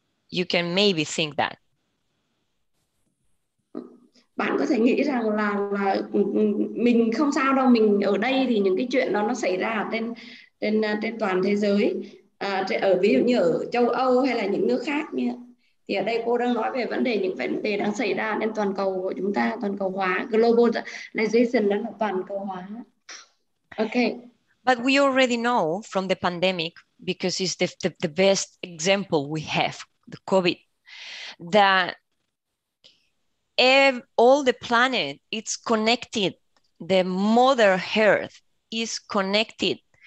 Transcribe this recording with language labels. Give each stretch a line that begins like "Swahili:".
English: You can maybe think that.
Vietnamese: Bạn có thể nghĩ rằng là mình không sao đâu, mình ở đây thì những cái chuyện đó nó xảy ra trên toàn thế giới. Ở ví dụ như ở châu Âu hay là những nước khác nha. Thì ở đây cô đang nói về vấn đề đang xảy ra trên toàn cầu của chúng ta, toàn cầu hóa. Globalization đó là toàn cầu hóa.
English: Okay. But we already know from the pandemic, because it's the best example we have, the COVID, that all the planet is connected, the mother earth is connected.